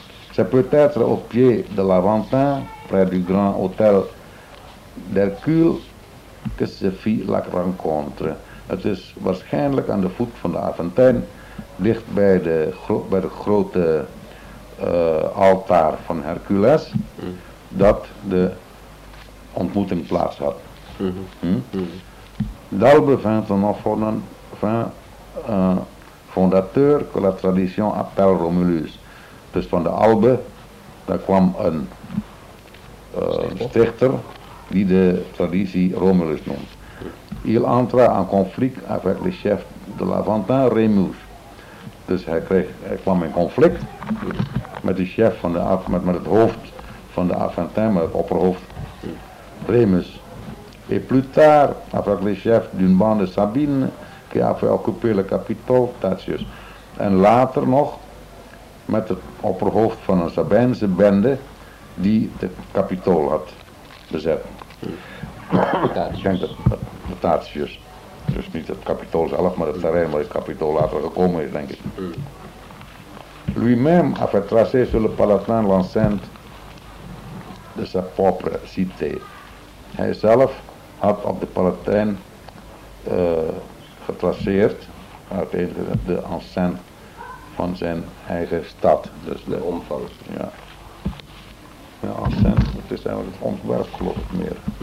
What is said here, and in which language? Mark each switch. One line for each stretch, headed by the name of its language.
French: C'est peut-être au pied de l'Aventin, près du grand hôtel d'Hercule, que se fit la rencontre.
Dutch: Het is waarschijnlijk aan de voet van de Aventijn, dicht bij de, grote altaar van Hercules, dat de ontmoeting plaats had.
French: D'Albe vint un enfant fin. Fondateur que la tradition appelle Romulus.
Dutch: Dus van de Albe, daar kwam een stichter die de traditie Romulus noemt.
French: Il entra en conflict avec le chef de l'Aventin, Remus.
Dutch: Dus hij kwam in conflict met de chef van de met het hoofd van de Aventin, met het opperhoofd, Remus.
French: Et plus tard, avec les chefs d'une bande Sabine, qui a fait occuper le Capitole, Tatius.
Dutch: Et later nog, met het opperhoofd van een Sabijnse bende, die de Capitole had bezet. Tatius. Ik denk dat het Tatius. Dus niet het Capitole zelf, maar het terrein waar het Capitole later gekomen is, denk ik.
French: Lui-même a fait tracer sur le Palatin l'enceinte de sa propre cité.
Dutch: Hij zelf had op de Palatin getraceerd, uiteindelijk de enceinte van zijn eigen stad. Dus de omvang. Ja. De enceinte, het is eigenlijk het ontwerp, geloof ik meer.